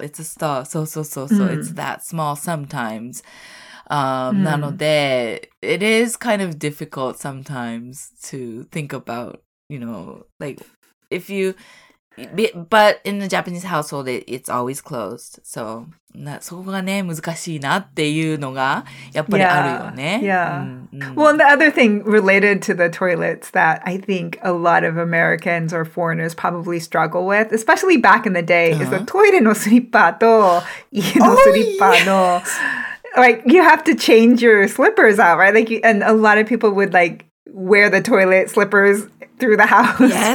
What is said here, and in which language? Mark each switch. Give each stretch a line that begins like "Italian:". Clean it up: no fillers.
English: It's a stall. It's a stall. So, it's that small sometimes.
Japanese: なので、
English: it is kind of difficult sometimes to think about, you know, like, if you, But in the Japanese household, it's always closed. So,
Japanese: そこがね、難しいなっていうのがやっぱりあるよね。
English: Yeah. Yeah. Mm-hmm. Well, and the other thing related to the toilets that I think a lot of Americans or foreigners probably struggle with, especially back in the day, is the toilet
Japanese: のスリッパと家のスリッパの、
English: like, you have to change your slippers out, right? Like, and a lot of people would, like, wear the toilet slippers through the house.